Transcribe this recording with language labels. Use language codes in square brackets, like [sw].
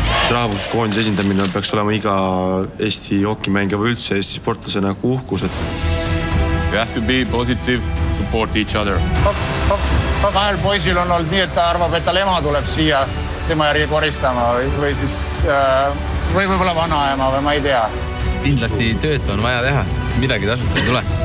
[et] rahvuskoondise esindamine peaks olema iga Eesti hokimängija või üldse Eesti sportlase nagu uhkus. Et... [en] You have to be positive, support each other. [et] Kahel poisil on olnud nii, et ta arvab, et ta ema tuleb siia tema järgi koristama või siis või võib-olla vanaema või ma ei tea. Kindlasti tööd on vaja teha, midagi tasuta ei tule.